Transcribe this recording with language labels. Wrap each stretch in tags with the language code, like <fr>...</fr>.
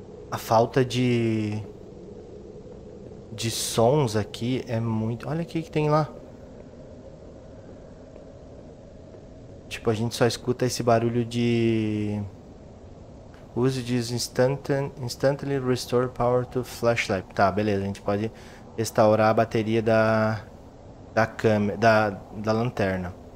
<pt>A falta de sons aqui é muito. Olha o que tem lá. Tipo, a gente só escuta esse barulho de.</pt> <en>Use this instantly restore power to flashlight.</en> <pt>Tá, beleza. A gente pode restaurar a bateria da câmera. Da lanterna.</pt>